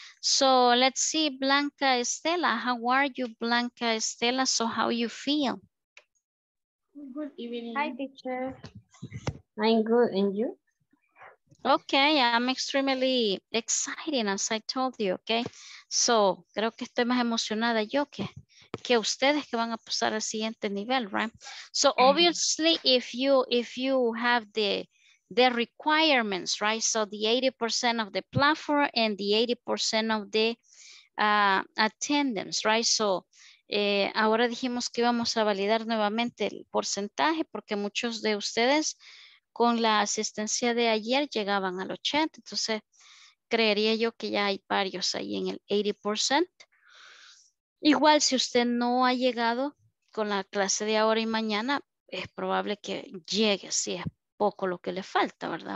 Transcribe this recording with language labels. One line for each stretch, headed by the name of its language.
English: So let's see, Blanca Estela. How are you, Blanca Estela? So how you feel? Good evening. Hi, teacher. I'm good. And you? Okay, I'm extremely excited, as I told you, okay?
Spanish: So, creo que estoy más emocionada yo que ustedes que van a pasar al siguiente nivel, right?
English: So, obviously, if you have the requirements, right? So, the 80% of the platform and the 80% of the attendance, right?
Spanish: So, ahora dijimos que íbamos a validar nuevamente el porcentaje porque muchos de ustedes con la asistencia de ayer llegaban al 80, entonces creería yo que ya hay varios ahí en el 80%. Igual si usted no ha llegado con la clase de ahora y mañana, es probable que llegue, sí, es poco lo que le falta, ¿verdad?